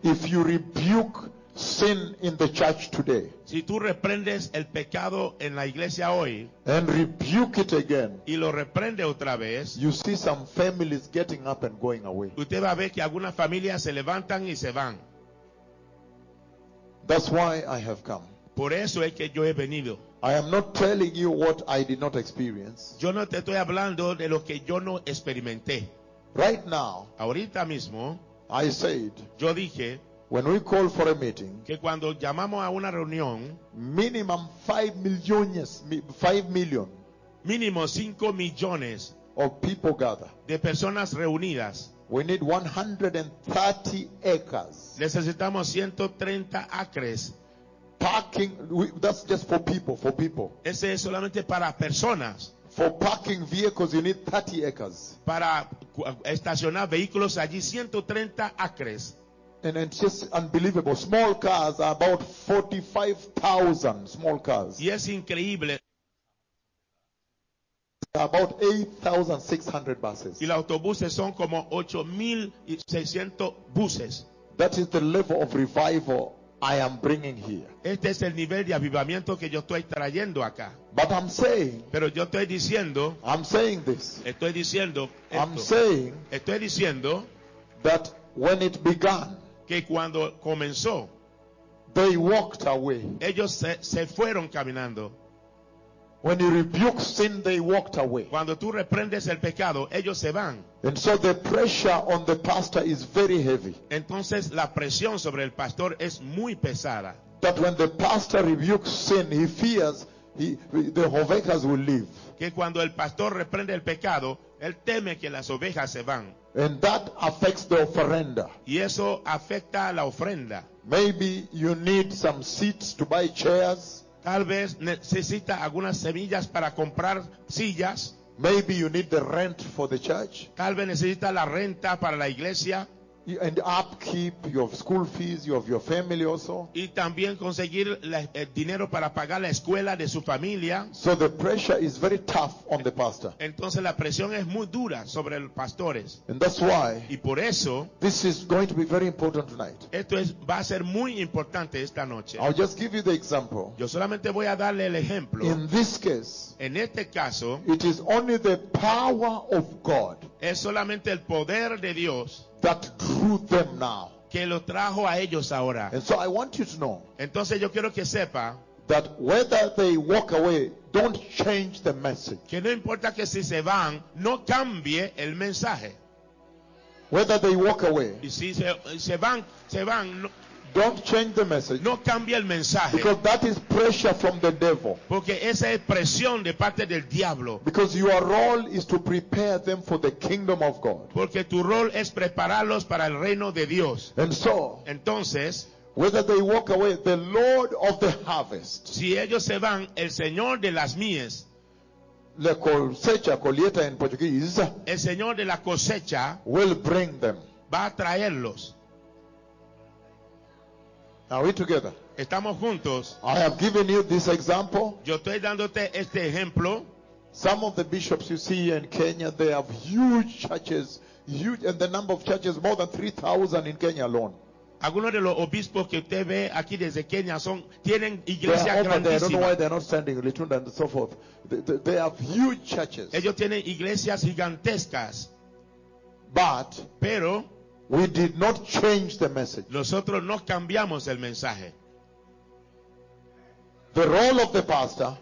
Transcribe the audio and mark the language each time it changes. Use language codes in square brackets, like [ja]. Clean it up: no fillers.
[en] If you rebuke sin in the church today, [es] si tú reprendes el pecado en la iglesia hoy, [en] and rebuke it again, [es] y lo reprende otra vez, [en] you see some families getting up and going away. [es] Usted va a ver que algunas familias se levantan y se van. [en] That's why I have come. [es] Por eso es que yo he venido. [en] I am not telling you what I did not experience. [es] Yo no te estoy hablando de lo que yo no experimenté. [en] Right now, [es] ahorita mismo, [en] I said, [es] yo dije, [en] when we call for a meeting, [es] que cuando llamamos a una reunión, [en] minimum 5 million, [es] mínimo 5 millones [en] of people gather, [es] de personas reunidas. [en] We need 130 acres. [es] Necesitamos 130 acres. [en] Parking, that's just for people, for people. [es] Ese es solamente para personas. [en] For parking vehicles, you need 30 acres. [es] Para estacionar vehículos allí, 130 acres. [en] And it's just unbelievable. Small cars are about 45,000 small cars. Yes, [es] increíble. [en] About 8,600 buses. [es] Y los autobuses son como 8,600 buses. [en] That is the level of revival I am bringing here. [es] Este es el nivel de avivamiento que yo estoy trayendo acá. [en] But I'm saying, [es] pero yo estoy diciendo, [en] I'm saying this, [es] estoy diciendo esto, [en] I'm saying, [es] estoy diciendo, [en] that when it began, [es] que cuando comenzó, [en] they walked away. [es] Ellos se fueron caminando. [en] When you rebuke sin, they walked away. [es] Cuando tú reprendes el pecado, ellos se van. [en] And so the pressure on the pastor is very heavy. [es] Entonces la presión sobre el pastor es muy pesada. [en] That when the pastor rebukes sin, he fears the ovejas will leave. [es] Que cuando el pastor reprende el pecado, él teme que las ovejas se van. [en] And that affects the ofrenda. [es] Y eso afecta a la ofrenda. [en] Maybe you need some seeds to buy chairs. [es] Tal vez necesita algunas semillas para comprar sillas. [en] Maybe you need the rent for the church. [es] Tal vez necesita la renta para la iglesia. [en] And upkeep your school fees, you have your family also. [es] Y también conseguir el dinero para pagar la escuela de su familia. [en] So the pressure is very tough on the pastor. [es] Entonces la presión es muy dura sobre los pastores. [en] And that's why. [es] Y por eso. [en] This is going to be very important tonight. [es] Esto es, va a ser muy importante esta noche. [en] I'll just give you the example. [es] Yo solamente voy a darle el ejemplo. [en] In this case. [es] En este caso. [en] It is only the power of God. [es] Es solamente el poder de Dios. [en] That drew them now. [es] Que lo trajo a ellos ahora. [en] And so I want you to know. [es] Entonces yo quiero que sepa. [en] That whether they walk away, don't change the message. [es] Que no importa que si se van, no cambie el mensaje. [en] Whether they walk away. [es] Y si se van. No, [en] don't change the message. [es] No cambie el mensaje. [en] Because that is pressure from the devil. [es] Porque esa es presión de parte del diablo. [en] Because your role is to prepare them for the kingdom of God. [es] Porque tu rol es prepararlos para el reino de Dios. [en] And so, [es] entonces, [en] whether they walk away, the Lord of the harvest. [es] Si ellos se van, el Señor de las mies. La cosecha, colheita [en] in Portuguese. [es] El Señor de la cosecha [en] will bring them. [es] Va a traerlos. [en] Are we together? [es] Estamos juntos. [en] I have given you this example. [es] Yo estoy dándote este ejemplo. [en] Some of the bishops you see in Kenya, they have huge churches, huge, and the number of churches more than 3,000 in Kenya alone. [es] Algunos de los obispos que usted ve aquí desde Kenia son, tienen iglesias grandísimas. [en] They, I don't know why they're not sending Litunda and so forth. They have huge churches. [es] Ellos tienen iglesias gigantescas. [en] But. [es] Pero. [en] We did not change the message. [es] Nosotros no cambiamos el mensaje. [en] The role of the pastor,